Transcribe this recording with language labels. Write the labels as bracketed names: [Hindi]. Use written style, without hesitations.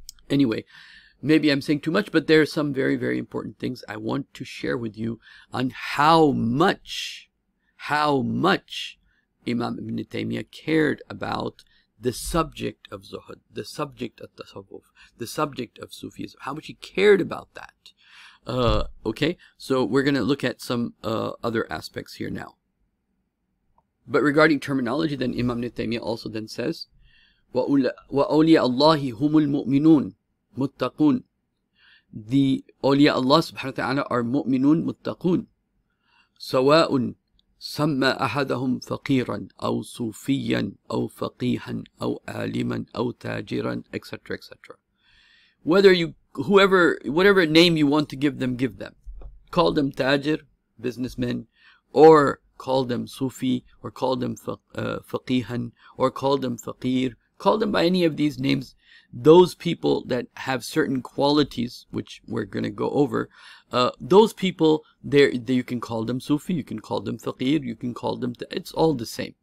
[English] Anyway, maybe I'm saying too much, but there are some very, very important things I want to share with you on how much Imam Ibn Taymiyyah cared about the subject of Zuhud, the subject of Tasawwuf, the subject of Sufism, how much he cared about that. Okay, so we're going to look at some other aspects here now. But regarding terminology, then Imam Ibn Taymiyyah also then says, [Arabic] وَأَوْلِيَ اللَّهِ هُمُ الْمُؤْمِنُونَ مُتَّقُونَ. [English] The awliya Allah subhanahu wa ta'ala are mu'minun muttaqun. [Arabic] سَوَاءٌ سَمَّ أَحَدَهُمْ فَقِيرًا أَوْ صُوفِيًّا أَوْ فَقِيهًا أَوْ عَالِمًا أَوْ تَاجِرًا, [English] etc., etc. Whatever name you want to give them, give them. Call them tajir, businessmen, or call them sufi, or call them faqihan, or call them faqir. Call them by any of these names. Those people that have certain qualities, which we're going to go over, those people, you can call them sufi, you can call them faqir, you can call them, it's all the same.